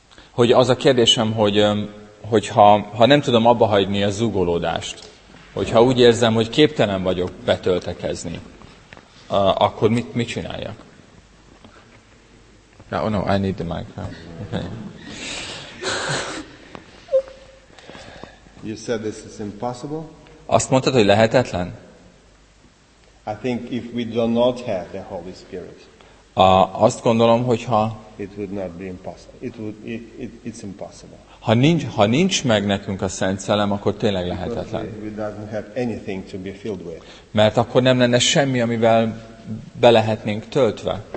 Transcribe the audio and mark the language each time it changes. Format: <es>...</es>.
<hu>Hogy az a kérdésem, hogy hogyha nem tudom abba hagyni a zúgolódást, hogyha úgy érzem, hogy képtelen vagyok betöltekezni, akkor mit csináljak?</hu> <en>Yeah, oh no, I need the mic. Okay. You said this is impossible?</en> <hu>Azt mondtad, hogy lehetetlen?</hu> <en>I think if we do not have the Holy Spirit.</en> <hu>Azt gondolom, hogyha</hu> <en>it would not be impossible. It's impossible.</en> <hu>Ha nincs meg nekünk a Szent Szellem, akkor tényleg lehetetlen.</hu> <en>We don't have anything to be filled with.</en> <hu>Mert akkor nem lenne semmi, amivel be lehetnénk töltve.</hu>